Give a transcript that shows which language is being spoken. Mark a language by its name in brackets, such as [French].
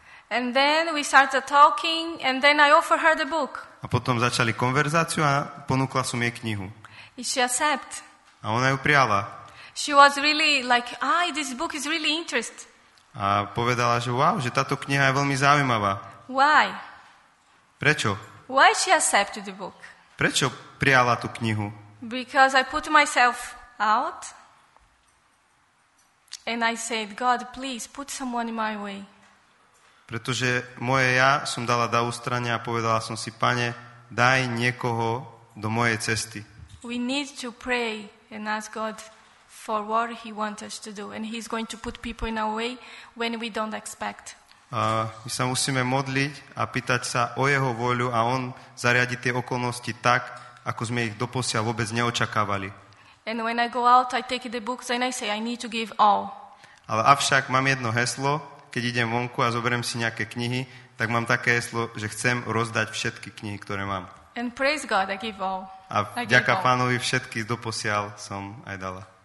[English] And then we started talking and then I offered her the book. [Slovak] A potom začali konverzáciu a ponúkla som jej knihu. [English] She accept. [Slovak] A ona ju prijala. [English] She was really like, "Ah, this book is really interesting." [Slovak] A povedala, že wow, že táto kniha je veľmi zaujímavá. [English] Why? [Slovak] Prečo? [English] Why she accepted the book? [Slovak] Prečo prijala tú knihu? [English] Because I put myself out and I said, God, please put someone in my way. [Slovak] Pretože moje ja som dala do ústrania a povedala som si, Pane, daj niekoho do mojej cesty. [English] We need to pray and ask God for what he wants us to do, and he's going to put people in our way when we don't expect. [Slovak] My sa musíme modliť a pýtať sa o jeho vôľu a on zariadi tie okolnosti tak, ako sme ich doposiaľ vôbec neočakávali. [English] And when I go out, I take the books and I say, I need to give all. [Slovak] Ale avšak mám jedno heslo, keď idem vonku a zoberiem si nejaké knihy, tak mám také heslo, že chcem rozdať všetky knihy, ktoré mám. [English] And praise God, I give all. [Slovak] A vďaka Pánovi všetky doposiaľ som aj dala.